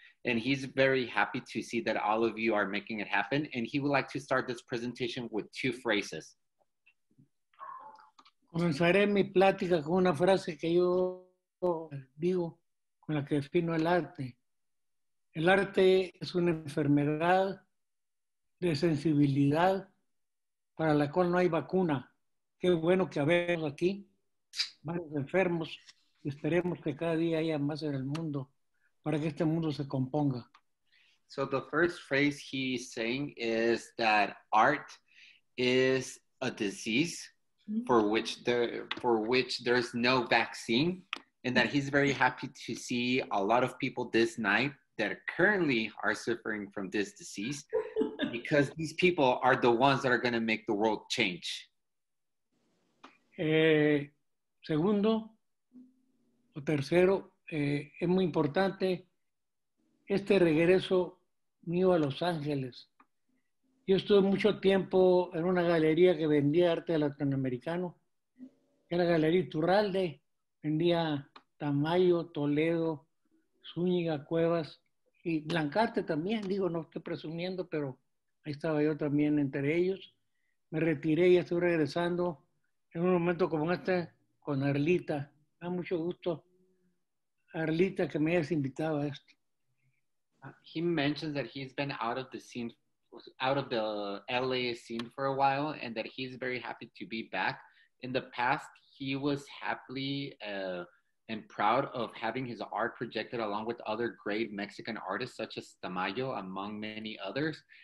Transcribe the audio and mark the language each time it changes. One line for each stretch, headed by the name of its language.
English: And he's very happy to see that all of you are making it happen. And he would like to start this presentation with two phrases.
Spanish: Comenzaré mi plática con una frase que yo digo, con la que defino el arte. El arte es una enfermedad de sensibilidad para la cual no hay vacuna. Qué bueno que habemos aquí varios enfermos y esperemos que cada día haya más en el mundo para que este mundo se componga.
English: So the first phrase he's saying is that art is a disease for which there's no vaccine, and that he's very happy to see a lot of people this night that currently are suffering from this disease, because these people are the ones that are going to make the world change.
Spanish: Segundo, o tercero, es muy importante este regreso mío a Los Ángeles. Yo estuve mucho tiempo en una galería que vendía arte latinoamericano, que era Galería Iturralde, vendía Tamayo, Toledo, Zúñiga, Cuevas, y Blancarte también, digo, no estoy presumiendo, pero ahí estaba yo también entre ellos. Me retiré y estoy regresando en un momento como este con Artlita. Me da mucho gusto, Artlita, que me hayas invitado a esto.
English: He mentions that he's been out of the LA scene for a while, and that he's very happy to be back. In the past, he was happily and proud of having his art projected along with other great Mexican artists such as Tamayo, among many others.